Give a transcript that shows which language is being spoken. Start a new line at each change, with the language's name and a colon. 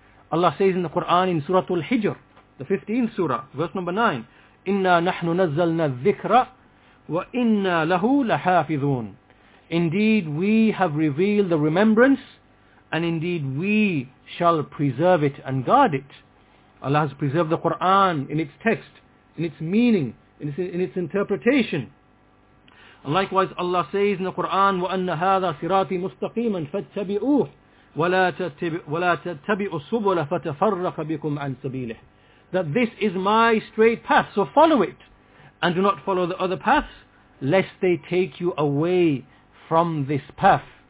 English: Allah says in the Quran in Surah Al-Hijr, the 15th surah, verse number 9,
Arabic: إِنَّا نَحْنُ نَزَّلْنَا الذِّكْرَ وَإِنَّا لَهُ لَحَافِظُونَ.
English: Indeed, we have revealed the remembrance, and indeed we shall preserve it and guard it. Allah has preserved the Quran in its text, in its meaning, in its interpretation. And likewise, Allah says in the Quran,
Arabic: وَأَنَّ هَذَا صِرَاطِي مُسْتَقِيمًا فَاتَّبِئُوهُ وَلَا تَتَّبِئُوا السُّبُلَ فَتَفَرَّقَ بِكُمْ عَنْ سَبِيلِهِ.
English: That this is my straight path, so follow it, and do not follow the other paths, lest they take you away from this path.